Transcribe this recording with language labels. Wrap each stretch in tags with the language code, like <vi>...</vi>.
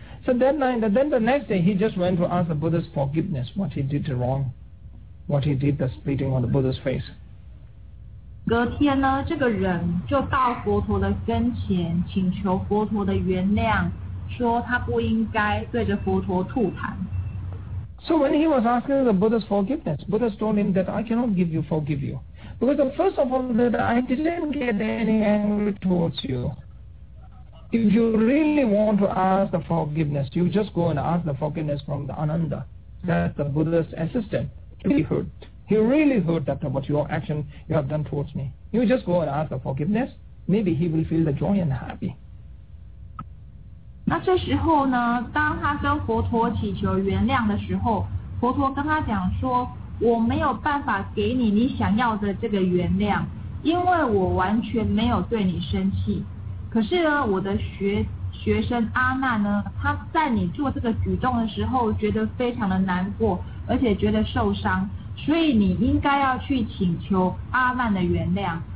<en>So that night, then the next day, he just went to ask the Buddha's forgiveness, what he did wrong, what he did, the spitting on the Buddha's face.</en> <zh>隔天呢，这个人就到佛陀的跟前，请求佛陀的原谅，说他不应该对着佛陀吐痰。</zh> <en>So when he was asking the Buddha's forgiveness, Buddha told him that I cannot forgive you. Because the first of all, that I didn't get any angry towards you. If you really want to ask the forgiveness, you just go and ask the forgiveness from the Ananda, that's the Buddha's assistant. He really heard that what your action you have done towards me. You just go and ask the forgiveness, maybe he will feel the joy and happy.</en> <zh>那这时候呢，当他跟佛陀祈求原谅的时候，佛陀跟他讲说，我没有办法给你想要的这个原谅，因为我完全没有对你生气。可是呢，我的学生阿难呢，他在你做这个举动的时候，觉得非常的难过，而且觉得受伤，所以你应该要去请求阿难的原谅。</zh>